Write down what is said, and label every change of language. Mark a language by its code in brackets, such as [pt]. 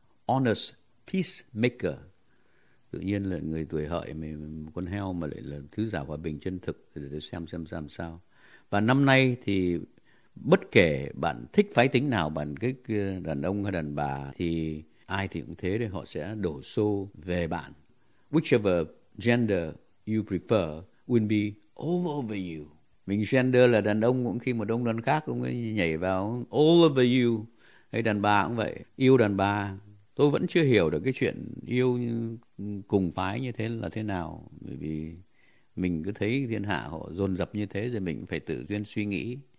[en] Honest peacemaker. [vi] Tự nhiên là người tuổi Hợi mà con heo mà lại là sứ giả hòa bình chân thực. Để xem sao. Và năm nay thì bất kể bạn thích phái tính nào, bạn thích đàn ông hay đàn bà, thì ai thì cũng thế đấy, họ sẽ đổ xô về bạn. [en] Whichever gender you prefer will be all over you. [vi] Mình gender là đàn ông, cũng khi mà đông đàn khác cũng nhảy vào [en] all over you. [vi] Hay đàn bà cũng vậy, yêu đàn bà. Tôi vẫn chưa hiểu được cái chuyện yêu cùng phái như thế là thế nào. Bởi vì mình cứ thấy thiên hạ họ dồn dập như thế, rồi mình phải tự duyên suy nghĩ.